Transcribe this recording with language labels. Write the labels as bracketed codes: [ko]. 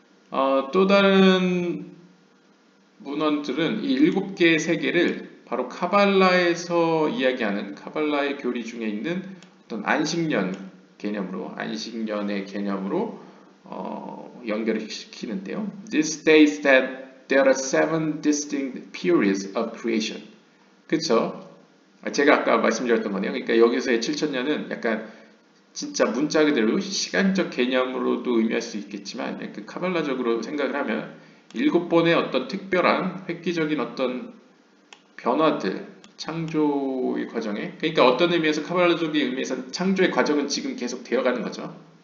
[ko] 또 다른 문헌들은 이 일곱 개의 세계를 바로 카발라에서 이야기하는 카발라의 교리 중에 있는 어떤 안식년의 개념으로 연결을 시키는데요. [en] This states that there are seven distinct periods of creation. [ko] 그쵸? 제가 아까 말씀드렸던 거네요. 그러니까 여기서의 7000년은 약간 진짜 문자 그대로 시간적 개념으로도 의미할 수 있겠지만, 약간 카발라적으로 생각을 하면 일곱 번의 어떤 특별한 획기적인 어떤 변화들, 창조의 과정에, 그러니까 어떤 의미에서 카발라적인 의미에서는 창조의 과정은 지금 계속 되어가는 거죠.